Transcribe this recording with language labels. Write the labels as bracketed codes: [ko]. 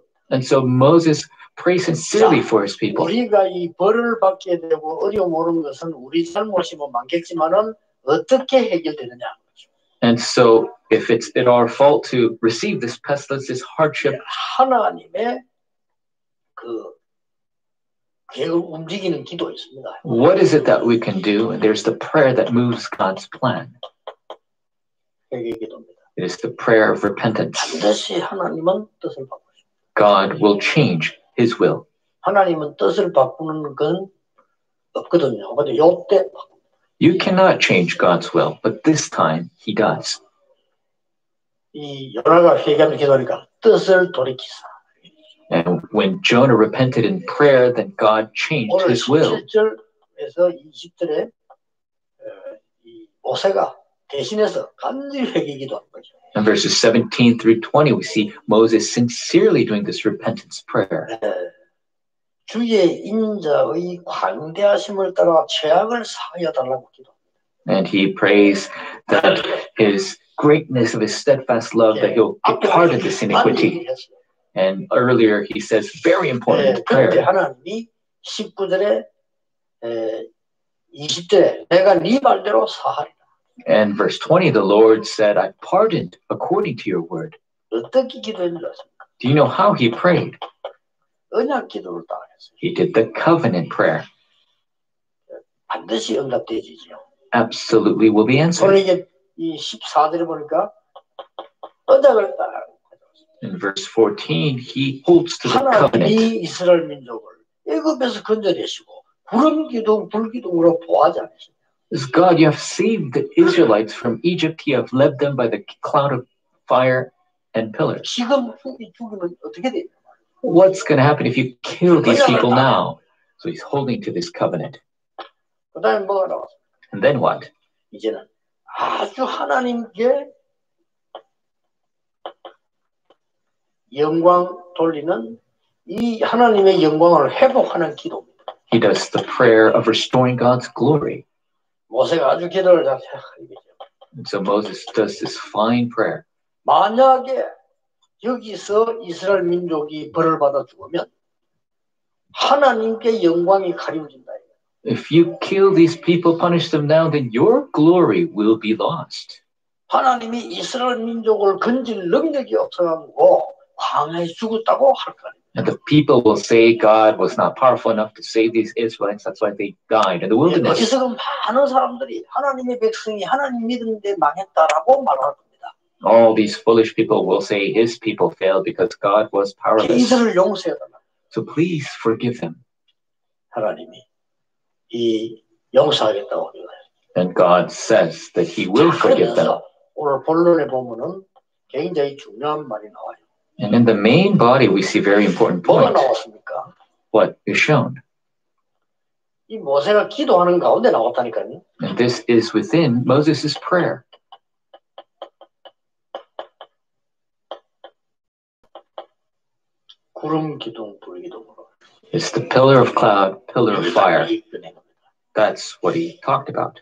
[en] And so Moses prays sincerely for his people. [ko] 우리가 이 벌을 받게 되고 어려움 오는 것은 우리 잘못이 뭐 많겠지만은 어떻게 해결되느냐. [en] And so if it's it our fault to receive this pestilence, this hardship, [ko] 하나님의 그 계획을 움직이는 기도 있습니다. [en] What is it that we can do? There's the prayer that moves God's plan. [ko] 회개 기도입니다. [en] It is the prayer of repentance. [ko] 반드시 하나님은 뜻을 바꾸십니다. [en] God will change His will. [ko] 하나님은 뜻을 바꾸는 건 없거든요. 근데 요때 [en] You cannot change God's will, but this time He does. [ko] 이 요나가 회개하며 기도하니까 뜻을 돌이키사. [en] And when Jonah repented in prayer, then God changed his will. [ko] 17절에서 20절에 이 모세가 대신해서 간절히 회개 기도한 거죠. [en] In verses 17 through 20, we see Moses sincerely doing this repentance prayer. [ko] 주의 인자의 광대하심을 따라 죄악을 사하여 달라고 기도합니다. [en] And he prays that his greatness of his steadfast love, 네, that he'll depart of this iniquity. And earlier he says very important 네, prayer. [ko] 하나님이 19절에 20절에 내가 네 말대로 사하리라. [en] And verse 20, the Lord said, I pardoned according to your word. [ko] 어떻게 기도했습니까? [en] Do you know how he prayed? [ko] 언약 기도를 따라했어요. [en] He did the covenant prayer. [ko] 반드시 응답되지요. [en] Absolutely will be answered. [ko] 오늘 이제 14절에 보니까 언약을 따라. [en] In verse 14, he holds to the covenant. [ko] 하나님이 이스라엘 민족을 애굽에서 건져내시고 구름 기둥 불 기둥으로 보호하지 않으셨냐? [en] As God, you have saved the Israelites from Egypt. You have led them by the cloud of fire and pillar. [ko] 지금 죽이면 어떻게 돼? [en] What's going to happen if you kill these people now? So he's holding to this covenant. And then what? [ko] 이제는 아주 하나님께 영광 돌리는 이 하나님의 영광을 회복하는 기도입니다. [en] He does the prayer of restoring God's glory. [ko] 모세가 아주 기도를 잘했죠. [en] So Moses does this fine prayer. [ko] 만약에 여기서 이스라엘 민족이 벌을 받아 죽으면 하나님께 영광이 가려진다. [en] If you kill these people, punish them now, then your glory will be lost. [ko] 하나님이 이스라엘 민족을 건질 능력이 없어가지고 광해 죽었다고 할 거예요. [en] And the people will say God was not powerful enough to save these Israelites. That's why they died in the wilderness. [ko] 여기서 그 많은 사람들이 하나님의 백성이 하나님 믿는데 망했다라고 말할 거예요. [en] All these foolish people will say his people failed because God was powerless. So please forgive them. [ko] 하나님이 이 용서하겠다고 합니다. [en] And God says that he will forgive them. [ko] 오늘 본론에 보면은 굉장히 중요한 말이 나와요. [en] And in the main body we see very important point. [ko] 뭐가 나왔습니까? [en] What is shown? [ko] 이 모세가 기도하는 가운데 나왔다니까요. [en] And this is within Moses' prayer. [ko] 구름 기둥 불 기둥으로. [en] It's the pillar of cloud, pillar of fire. That's what he talked about.